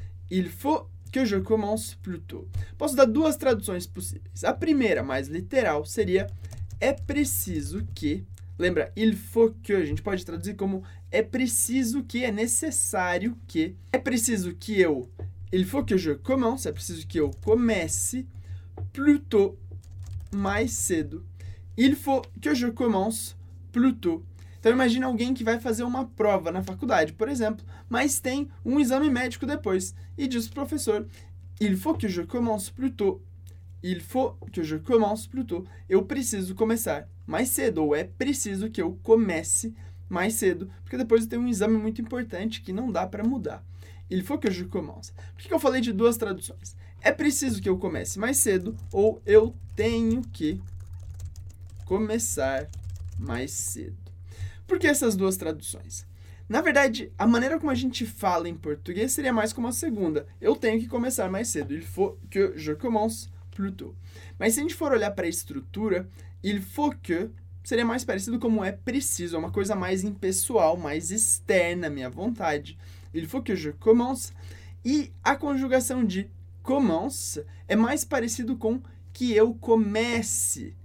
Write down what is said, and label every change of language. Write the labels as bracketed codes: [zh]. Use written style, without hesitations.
[fr] Il faut que je commence plus tôt. [pt] Posso dar duas traduções possíveis. A primeira, mais literal, seria é preciso que, lembra, [fr] il faut que, [pt] a gente pode traduzir como é preciso que, é necessário que, é preciso que eu, [fr] il faut que je commence, [pt] é preciso que eu comece, [fr] plus tôt, [pt] mais cedo, [fr] il faut que je commence plus tôt. [pt] Então imagina alguém que vai fazer uma prova na faculdade, por exemplo, mas tem um exame médico depois, e diz pro professor, [fr] il faut que je commence plus tôt. Il faut que je commence plus tôt. [pt] Eu preciso começar mais cedo, ou é preciso que eu comece mais cedo, porque depois eu tenho um exame muito importante que não dá para mudar. [fr] Il faut que je commence. [pt] Por que eu falei de duas traduções? É preciso que eu comece mais cedo, ou eu tenho que começar mais cedo. Por que essas duas traduções? Na verdade, a maneira como a gente fala em português seria mais como a segunda. Eu tenho que começar mais cedo. [fr] Il faut que je commence plus tôt. [pt] Mas se a gente for olhar para a estrutura, [fr] il faut que [pt] seria mais parecido como é preciso, é uma coisa mais impessoal, mais externa à minha vontade. [fr] Il faut que je commence. [pt] E a conjugação de commence é mais parecido com que eu comece.